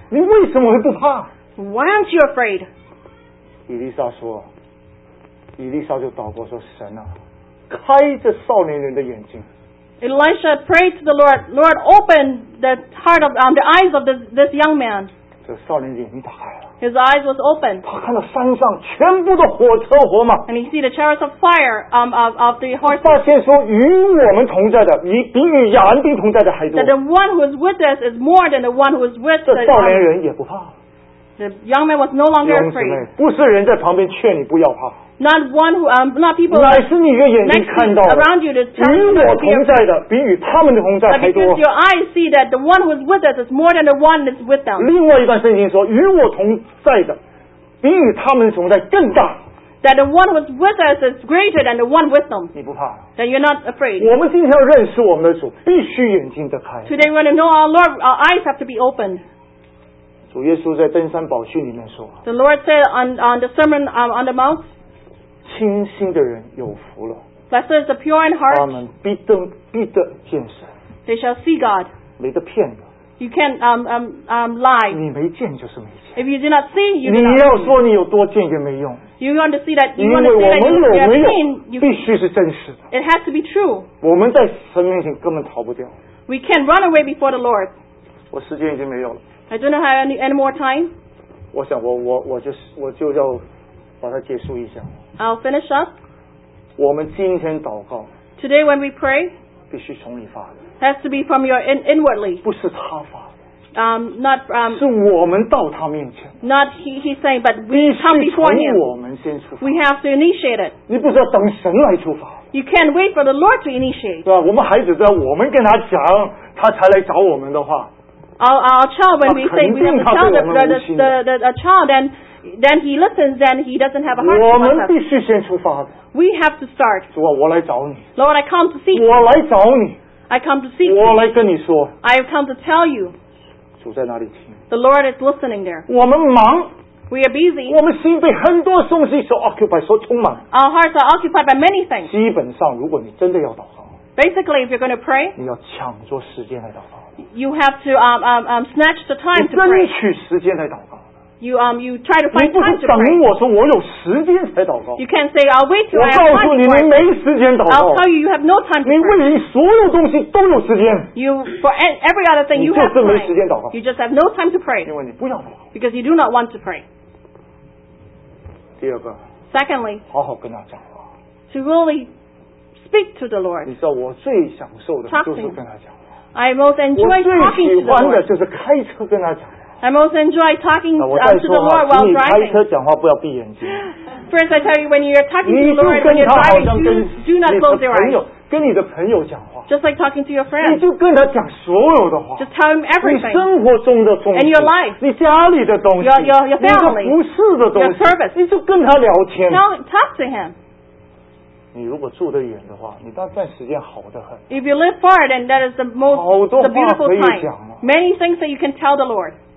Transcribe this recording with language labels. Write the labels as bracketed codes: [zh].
[zh] 你为什么会不怕? [en] Why aren't you afraid? [zh] 以利沙说，以利沙就祷告说，神啊，开这少年人的眼睛。 [en] Elisha prayed to the Lord, Lord, open the heart of the eyes of this young man. [zh] 这少年眼睛打开了。 [en] His eyes was open. [zh] 他看到山上全部的火车火马。 [en] And he see the chariots of fire of the horses. [zh] 发现说与我们同在的比与亚兰兵同在的还多。 [en] That the one who is with us is more than the one who is with the [zh] 这少年人也不怕。 [en] The young man was no longer afraid. [zh] 不是人在旁边劝你不要怕。 [en] Not one who, not people. [zh] 乃是你的眼睛看到了。 [en] Around you, [zh] 与我同在的比与他们的同在还多。 [en] Because your eyes see that the one who is with us is more than the one that's with them. [zh] 另外一段圣经说，与我同在的比与他们同在更大。 [en] That the one who is with us is greater than the one with them. [zh] 你不怕。 [en] That you're not afraid. [zh] 我们今天要认识我们的主，必须眼睛得开。 [en] Today we want to know our Lord. Our eyes have to be opened. [zh] 主耶稣在登山宝训里面说。 [en] The Lord said on the sermon on the mount. [zh] 清心的人有福了。 [en] Blessed is the pure in heart. [zh] 他们必得见神。 [en] They shall see God. [zh] 没得骗的。 [en] You can't lie. [zh] 你没见就是没见。 [en] If you do not see, you do not see. [zh] 你要说你有多见也没用。 [en] You want to see that you want to see that you have seen. [zh] 必须是真实的。 [en] It has to be true. [zh] 我们在神面前根本逃不掉。 [en] We can't run away before the Lord. [zh] 我时间已经没有了。 [en] I do not have any more time. [zh] 我想我就要。把它结束一下。 [en] I'll finish up. [zh] 我们今天祷告。 [en] Today when we pray, [zh] 必须从你发的。 [en] Has to be from your inwardly. [zh] 不是他发的。 [en] not not he's saying, but we come before him. We have to initiate it. [zh] 你不是要等神来出发? [en] You can't wait for the Lord to initiate. [zh] 对吧,我们孩子都要我们跟他讲,他才来找我们的话, [en] our child, when we say we have to tell the child, then he listens, then he doesn't have a heart. [zh] 我们必须先出发, [en] we have to start. [zh] 主啊,我来找你, [en] Lord, I come to see you. [zh] 我来找你, [en] I come to see you. [zh] 我来跟你说, [en] I have come to tell you. [zh] 主在哪里听? [en] The Lord is listening there. [zh] 我们忙, [en] we are busy. [zh] 我们心被很多东西所 occupy, 所充满, [en] our hearts are occupied by many things. [zh] 基本上,如果你真的要祷告, [en] basically, if you're going to pray, [zh] 你要抢着时间来祷告, [en] you have to snatch the time to pray. [zh] 你争取时间来祷告, [en] You try to find time to pray. [zh] 你不是等我说我有时间才祷告, [en] you can't say I'll wait till I have time to pray. I'll tell you, you have no time to pray. [zh] 你为你所有东西都有时间, [en] you, for every other thing you have time, [zh] 你就是没时间祷告, [en] you just have no time to pray. [zh] 因为你不要祷告, [en] because you do not want to pray. [zh] 第二个, [en] secondly, [zh] 好好跟他讲话, [en] to really speak to the Lord. [zh] 你知道我最享受的就是跟他讲话, [en] I most enjoy talking to the Lord. [zh] 我最喜欢的就是开车跟他讲话, [en] I most enjoy talking to the Lord while driving. [zh] 请你开车讲话不要闭眼睛。 [en] First, I tell you, when you're talking to the Lord, when you're driving, do not close your eyes. [zh] 跟你的朋友讲话, [en] just like talking to your friends. [zh] 你就跟他讲所有的话, [en] just tell him everything. [zh] 你生活中的东西, [en] and your life, [zh] 你家里的东西, [en] your family, [zh] 你的服事的东西, [en] your service. [zh] 你就跟他聊天, [en] talk to him. [zh] 你如果住得远的话, 你当时间好得很, [en] if you live far, then that is the most the beautiful time. Many things that you can tell the Lord.